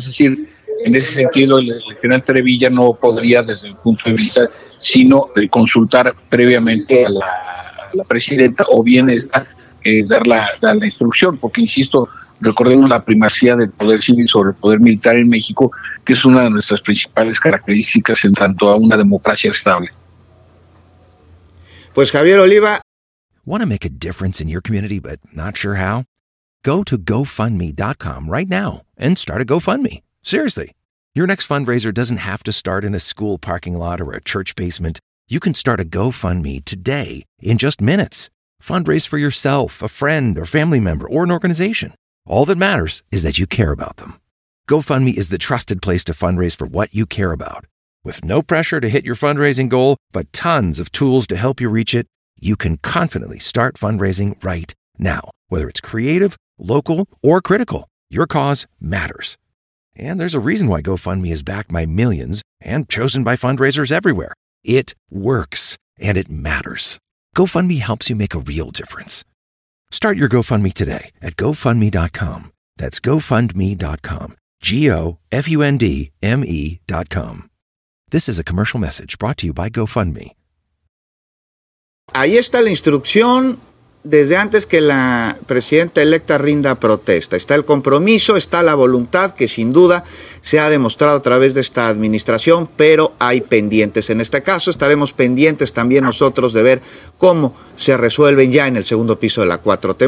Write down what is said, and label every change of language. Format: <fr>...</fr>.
<es>Es decir, en ese sentido el general Trevilla no podría, desde el punto de vista, sino de consultar previamente a la presidenta, o bien esta dar la instrucción, porque insisto, recordemos la primacía del poder civil sobre el poder militar en México, que es una de nuestras principales características en tanto a una democracia estable. Pues Javier Oliva.</es> <en>Want to make a difference in your community but not sure how? Go to GoFundMe.com right now and start a GoFundMe. Seriously, your next fundraiser doesn't have to start in a school parking lot or a church basement. You can start a GoFundMe today in just minutes. Fundraise for yourself, a friend, or family member, or an organization. All that matters is that you care about them. GoFundMe is the trusted place to fundraise for what you care about. With no pressure to hit your fundraising goal, but tons of tools to help you reach it, you can confidently start fundraising right now. Whether it's creative, local, or critical, your cause matters. And there's a reason why GoFundMe is backed by millions and chosen by fundraisers everywhere. It works, and it matters. GoFundMe helps you make a real difference. Start your GoFundMe today at GoFundMe.com. That's GoFundMe.com. GoFundMe.com. This is a commercial message brought to you by GoFundMe.</en> <es>Ahí está la instrucción desde antes que la presidenta electa rinda protesta. Está el compromiso, está la voluntad, que sin duda se ha demostrado a través de esta administración, pero hay pendientes. En este caso estaremos pendientes también nosotros de ver cómo se resuelven ya en el segundo piso de la 4T.</es>